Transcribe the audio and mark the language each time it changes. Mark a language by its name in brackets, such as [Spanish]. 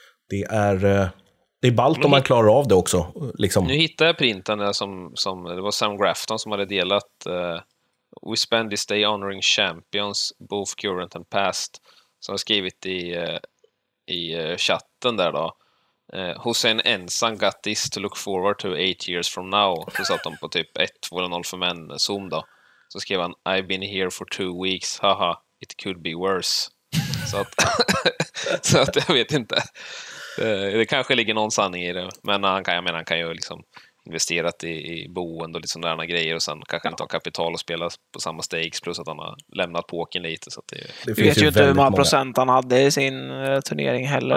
[Swedish] Det är ballt om man klarar av det också. Liksom. Nu hittade jag printen som det var Sam Grafton som hade delat. [English] We spend this day honoring champions, both current and past. [Swedish] Som har skrivit i chatten där då. [English] Hussein Ensan got this to look forward to 8 years from now. [Swedish] Så satt de på typ 1-2-0 för män Zoom då. Så skrev han, [English] I've been here for 2 weeks, haha, it could be worse. [Swedish] Så att jag vet inte. Det kanske ligger någon sanning i det. Men han kan ju liksom investerat i boende och lite sådana grejer och sen kanske inte ha kapital att spela på samma stakes plus att han har lämnat påken lite. Så att det vi vet ju inte hur många procent han hade i sin turnering heller.